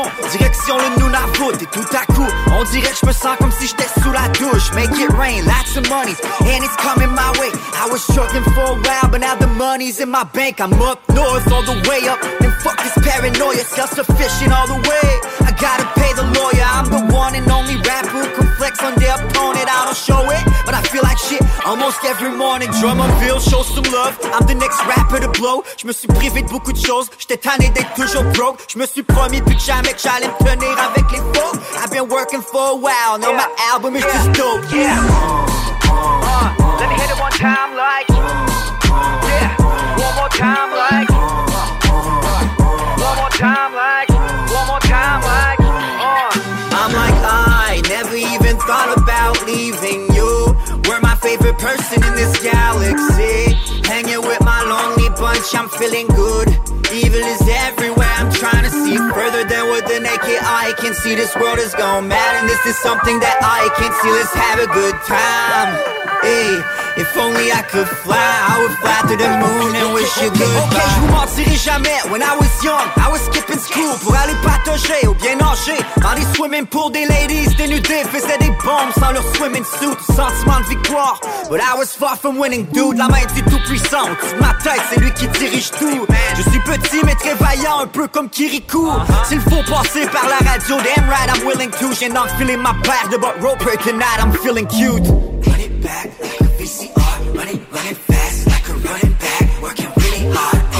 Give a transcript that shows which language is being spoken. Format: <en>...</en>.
<fr>Direction le Nunavut et tout à coup, on dirait que je me sens comme si j'étais sous la douche.</fr> <en>Make it rain, lots of money, and it's coming my way. I was struggling for a while, but now the money's in my bank. I'm up north all the way up, and fuck this paranoia, self-sufficient all the way. I gotta pay the lawyer, I'm the one and only rapper who can flex on their opponent. I don't show it, but I feel like shit almost every morning. Drummerville, show some love, I'm the next rapper to blow.</en> <fr>Je me suis privé de beaucoup de choses, j'étais tanné d'être toujours broke. Je me suis promis plus que jamais que j'allais me tenir avec les faux.</fr> <en>I've been working for a while, now my album is just dope. Let me hit it one time like one more time like one more time like one more time like I'm like, I never even thought about leaving you. We're my favorite person in this galaxy. Hanging with my lonely bunch, I'm feeling good. Evil is everywhere, I'm trying to see further than what the naked eye can see. This world is gone mad and this is something that I can't see. Let's have a good time. If only I could fly, I would fly to the moon and wish you goodbye. Okay,</en> <fr>je vous mentirai jamais.</fr> <en>When I was young, I was skipping school</en> <fr>pour aller patauger ou bien nager dans les swimming pool des ladies dénudées. Faisaient des bombes sans leur swimming suit. Sentiment de victoire,</fr> <en>but I was far from winning, dude.</en> <fr>La main était tout puissant, au-dessus de ma tête, c'est lui qui dirige tout. Je suis petit mais très vaillant, un peu comme Kirikou. S'il faut passer par la radio,</fr> <en>damn right I'm willing to.</en> <fr>J'ai enfilé ma paire de butt roper.</fr> <en>Tonight I'm feeling cute. Back, like a VCR, running, running fast, like a running back, working really hard.</en>